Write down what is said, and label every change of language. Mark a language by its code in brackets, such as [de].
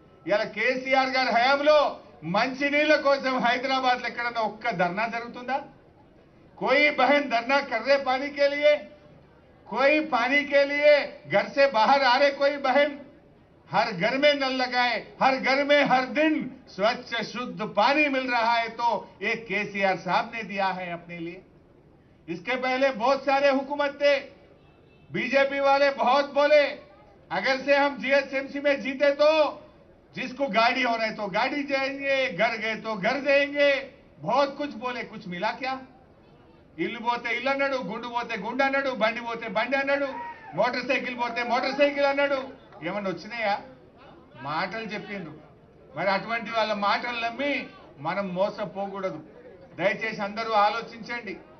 [te] ఇలా కేసీఆర్ గారి హయాంలో మంచి నీళ్ళ కోసం హైదరాబాద్ లో ఎక్కడన్నా ఒక్క ధర్నా జరుగుతుందా? [hi] कोई बहन धरना कर रहे पानी के लिए? कोई पानी के लिए घर से बाहर आ रहे कोई बहन? हर घर में नल लगाए, हर घर में हर दिन स्वच्छ शुद्ध पानी मिल रहा है तो एक केसीआर साहब ने दिया है अपने लिए। इसके पहले बहुत सारे हुकूमत थे, बीजेपी वाले बहुत बोले अगर से हम जीएसएमसी में जीते तो जिसको गाड़ी हो रहे तो गाड़ी जाएंगे, घर गए तो घर जाएंगे, बहुत कुछ बोले, कुछ मिला क्या? [te] ఇల్లు పోతే ఇల్లు అన్నాడు, గుండు పోతే గుండు అన్నాడు, బండి పోతే బండి అన్నాడు, మోటార్ సైకిల్ పోతే మోటార్ సైకిల్ అన్నాడు, ఏమన్నా వచ్చినాయా? మాటలు చెప్పిండు। మరి అటువంటి వాళ్ళ మాటలు నమ్మి మనం మోసపోకూడదు, దయచేసి అందరూ ఆలోచించండి।